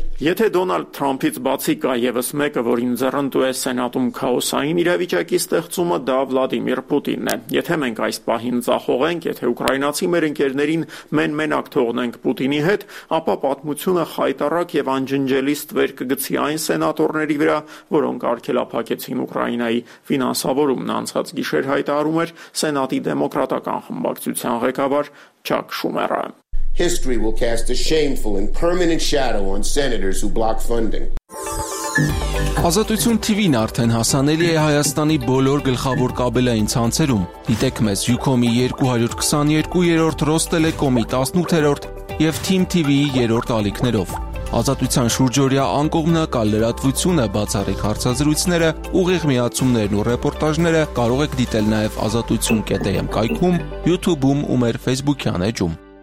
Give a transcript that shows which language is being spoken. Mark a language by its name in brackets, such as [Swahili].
[Armenian] Եթե Դոնալդ Թրամփից բացի կա եւս մեկը, որին ձեռնտու է Սենատում քաոսային իրավիճակի ստեղծումը, դա Վլադիմիր Պուտինն է։ Եթե մենք այս պահին ծախողենք, եթե ուկրաինացի մեր ընկերներին մենակ թողնենք Պուտինի հետ, ապա պատմությունը խայտառակ եւ անջնջելի ստվեր կգցի այն սենատորների վրա, որոնք արգելափակեցին Ուկրաինայի ֆինանսավորումն, անցած գիշեր հայտարարում էր Սենատի դեմոկրատական խմբակցության ղեկավար Չակ Շումերը։ [English] History will cast a shameful and permanent shadow on senators who block funding. [Armenian] Ազատություն TV-ն արդեն հասանելի է Հայաստանի բոլոր գլխավոր կաբելային ցանցերում։ Դիտեք մեզ Ucom-ի 222-րդ, Rostelecom-ի 18-րդ եւ Team TV-ի 3-րդ ալիքներով։ Ազատության շուրջօրյա անկողմնակալ լրատվությունը, բացառիկ հարցազրույցները, ուղիղ միացումներն ու ռեպորտաժները կարող եք դիտել նաեւ azatutyun.am կայքում, YouTube-ում ու մեր Facebook-յան էջում։